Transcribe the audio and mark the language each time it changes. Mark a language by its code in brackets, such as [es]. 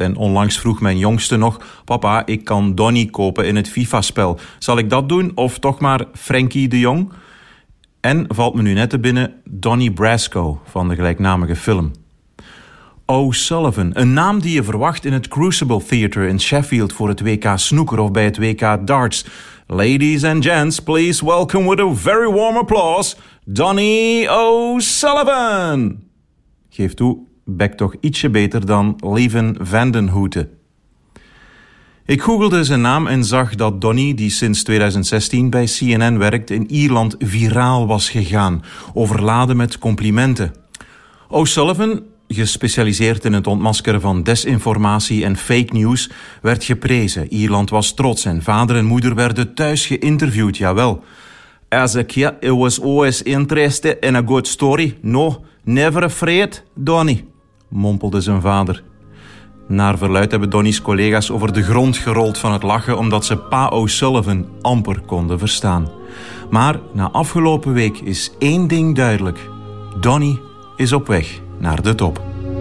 [nl] En onlangs vroeg mijn jongste nog, papa, ik kan Donnie kopen in het FIFA-spel. Zal ik dat doen of toch maar Frenkie de Jong? En valt me nu net te binnen Donnie Brasco van de gelijknamige film. O'Sullivan, een naam die je verwacht in het Crucible Theater in Sheffield voor het WK snooker of bij het WK darts. [en] Ladies and gents, please welcome with a very warm applause, Donnie O'Sullivan. [nl] Geef toe, bek toch ietsje beter dan Leven van den Houten. Ik googelde zijn naam en zag dat Donnie, die sinds 2016 bij CNN werkt, in Ierland viraal was gegaan, overladen met complimenten. O'Sullivan, gespecialiseerd in het ontmaskeren van desinformatie en fake news, werd geprezen. Ierland was trots en vader en moeder werden thuis geïnterviewd, jawel. [en] As a kid, it was always interesting and a good story. No, never afraid, [nl] Donnie, mompelde zijn vader. Naar verluid hebben Donnie's collega's over de grond gerold van het lachen omdat ze pa O'Sullivan amper konden verstaan. Maar na afgelopen week is één ding duidelijk. Donnie is op weg naar de top.